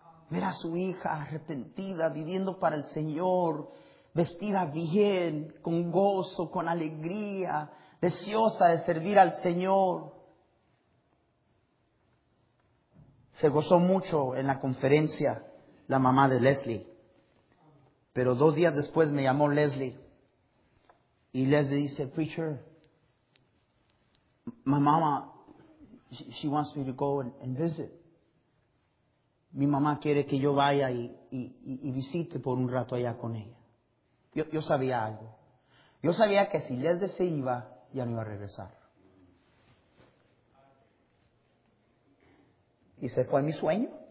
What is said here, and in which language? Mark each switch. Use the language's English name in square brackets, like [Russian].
[Spanish] ver a su hija arrepentida, viviendo para el Señor, vestida bien, con gozo, con alegría, deseosa de servir al Señor. Se gozó mucho en la conferencia la mamá de Leslie. Pero 2 días después me llamó Leslie. Y Leslie dice, [English] preacher, my mama, she wants me to go and visit. [Spanish] Mi mamá quiere que yo vaya y visite por un rato allá con ella. Yo sabía algo. Yo sabía que si Leslie se iba, ya no iba a regresar. Y se fue mi sueño.